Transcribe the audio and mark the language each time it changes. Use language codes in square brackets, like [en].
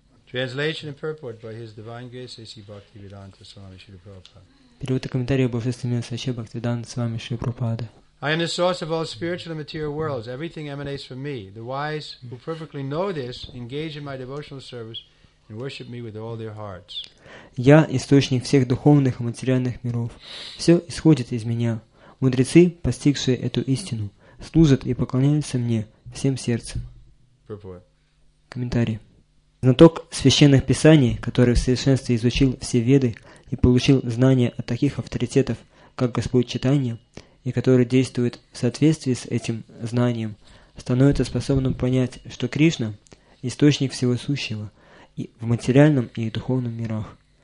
[en] Translation and purport by His Divine Grace A.C. Bhaktivedanta Swami Shri Prabhupada. [ru] Перевод и комментарий Божественного Сачи Бхактиданта Свами Шри Прабхупады. [en] I am the source of all spiritual and material worlds. Everything emanates from me. The wise who perfectly know this engage in my devotional service and worship me with all their hearts. [ru] Я источник всех духовных и материальных миров. Все исходит из меня. Мудрецы, постигшие эту истину, служат и поклоняются мне всем сердцем. Комментарий. Знаток священных писаний, который в совершенстве изучил все веды и получил знания от таких авторитетов, как Господь Читания, и который действует в соответствии с этим знанием, становится способным понять, что Кришна – источник всего сущего и в материальном и духовном мирах.